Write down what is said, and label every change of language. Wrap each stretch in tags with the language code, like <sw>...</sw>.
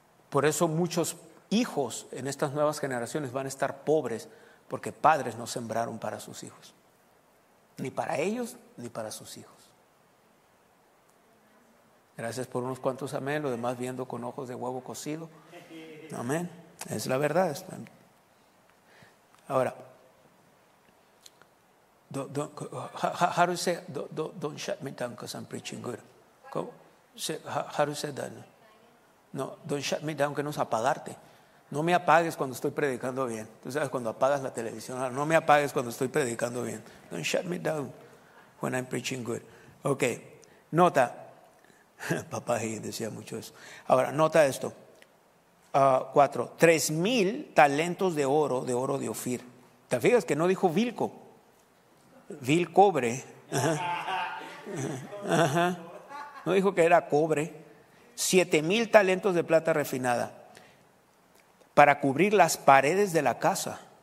<es>Por eso muchos hijos en estas nuevas generaciones van a estar pobres, porque padres no sembraron para sus hijos, ni para ellos ni para sus hijos. Gracias por unos cuantos amén, lo demás viendo con ojos de huevo cocido. Amén. Es la verdad.</es> <en>Ahora, how do you say, don't shut me down because I'm preaching good. How do you say that? No, don't shut me down,</en> <es>que no es apagarte. No me apagues cuando estoy predicando bien. Tú sabes, cuando apagas la televisión, no me apagues cuando estoy predicando bien.</es> <en>Don't shut me down when I'm preaching good.</en> <es>Ok, nota. Papá ahí decía mucho eso. Ahora, nota esto. 3,000 talentos de oro de Ofir. ¿Te fijas que no dijo Vilco? Vil cobre. Ajá. No dijo que era cobre. 7,000 talentos de plata refinada para cubrir las paredes de la casa.</es>